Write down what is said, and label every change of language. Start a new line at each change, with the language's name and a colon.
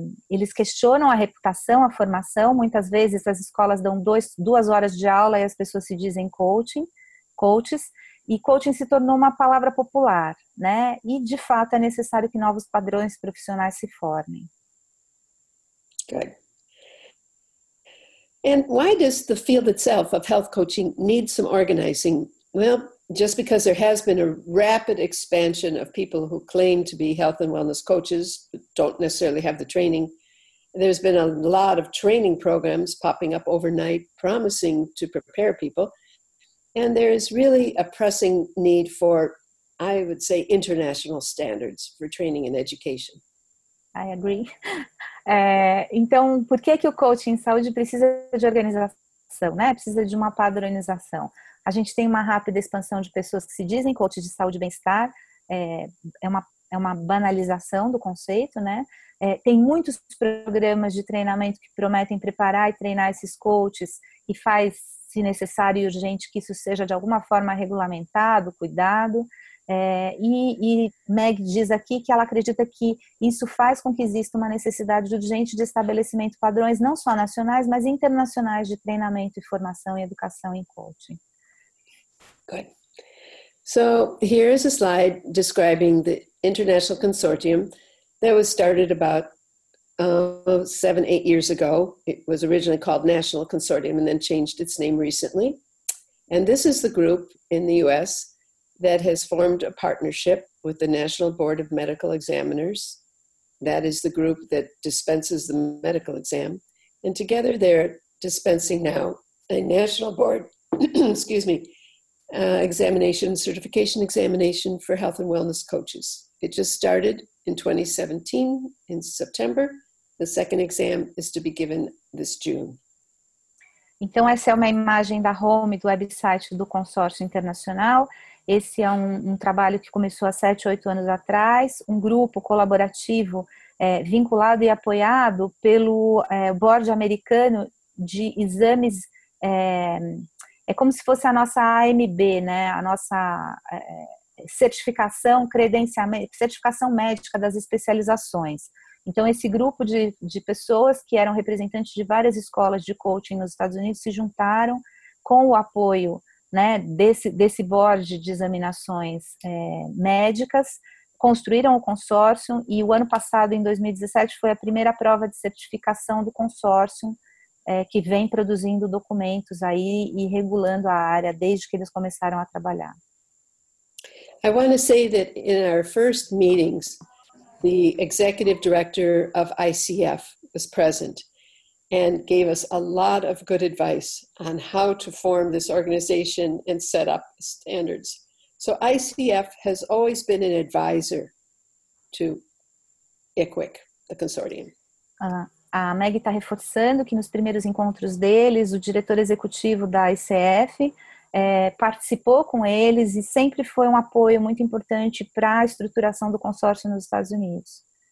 Portuguese: Eles questionam a reputação, a formação. Muitas vezes, as escolas dão duas horas de aula e as pessoas se dizem coaches. E coaching se tornou uma palavra popular, né? E, de fato, é necessário que novos padrões profissionais se formem.
English: Okay. And why does the field itself of health coaching need some organizing? Well, just because there has been a rapid expansion of people who claim to be health and wellness coaches, but don't necessarily have the training. There's been a lot of training programs popping up overnight, promising to prepare people. And there is really a pressing need for, I would say, international standards for training and education. I agree.
Portuguese: Então, por que que o coaching em saúde precisa de organização, né? Precisa de uma padronização. A gente tem uma rápida expansão de pessoas que se dizem coaches de saúde e bem-estar, é uma banalização do conceito, né? Tem muitos programas de treinamento que prometem preparar e treinar esses coaches e faz, se necessário e urgente, que isso seja de alguma forma regulamentado, cuidado. E Meg diz aqui que ela acredita que isso faz com que exista uma necessidade urgente de estabelecimento de padrões não só nacionais, mas internacionais de treinamento e formação e educação em coaching.
English: Good. So, here is a slide describing the International Consortium that was started about 7-8 years ago. It was originally called National Consortium and then changed its name recently. And this is the group in the U.S. that has formed a partnership with the National Board of Medical Examiners. That is the group that dispenses the medical exam. And together they're dispensing now a National Board examination, certification examination for health and wellness coaches. It just started in 2017 in September. The second exam is to be given this June.
Portuguese: Então, essa é uma imagem da home, do website do Consórcio Internacional. Esse é um trabalho que começou há 7-8 anos atrás, um grupo colaborativo vinculado e apoiado pelo Board Americano de Exames. É como se fosse a nossa AMB, né? A nossa certificação, certificação médica das especializações. Então, esse grupo de pessoas que eram representantes de várias escolas de coaching nos Estados Unidos se juntaram com o apoio, né, desse board de examinações médicas, construíram o consórcio e o ano passado, em 2017, foi a primeira prova de certificação do consórcio que vem produzindo documentos aí e regulando a área desde que eles começaram a trabalhar.
English: I want to say that in our first meetings, the executive director of ICF was present and gave us a lot of good advice on how to form this organization and set up standards. So ICF has always been an advisor to ICWIC, the consortium.
Portuguese: A Meg está reforçando que nos primeiros encontros deles, o diretor executivo da ICF participou com eles e sempre foi um apoio muito importante para a estruturação do consórcio nos Estados Unidos.